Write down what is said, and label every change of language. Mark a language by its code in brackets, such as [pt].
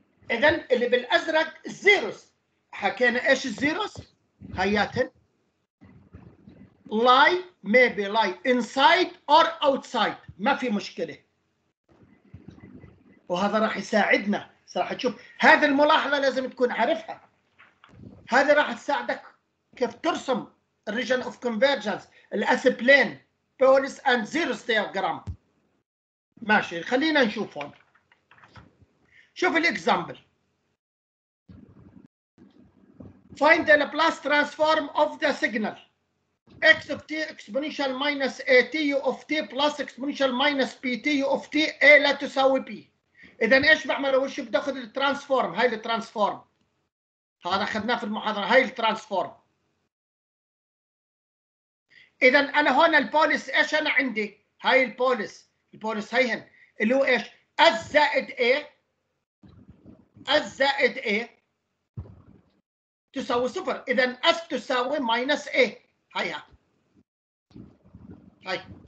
[ar] اذا اللي بالازرق الزيروس، حكينا ايش الزيروس، [en] هياتن lie maybe lie inside or outside, [ar] ما في مشكله، وهذا راح يساعدنا صراحه، تشوف هذه الملاحظه لازم تكون عارفها، هذا راح تساعدك كيف ترسم [en] الريجن of convergence الاس plane poles and zeros diagram. [ar] ماشي خلينا نشوف هون، شوف الاكزامبل، [en] find the Laplace transform of the signal x of t exponential minus a t u of t plus exponential minus p t u of t a [ar] لا تساوي [en] b. [ar] اذا ايش بعمل اول شيء؟ بدي اخذ الترانسفورم، هاي الترانسفورم هذا اخذناه في المحاضره، هاي الترانسفورم. اذا انا هون البوليس ايش انا عندي؟ هاي البوليس، البوليس هيهن اللي هو ايش؟ s زائد a، s زائد a تساوي صفر، إذا S تساوي ماينس A، هيا هاي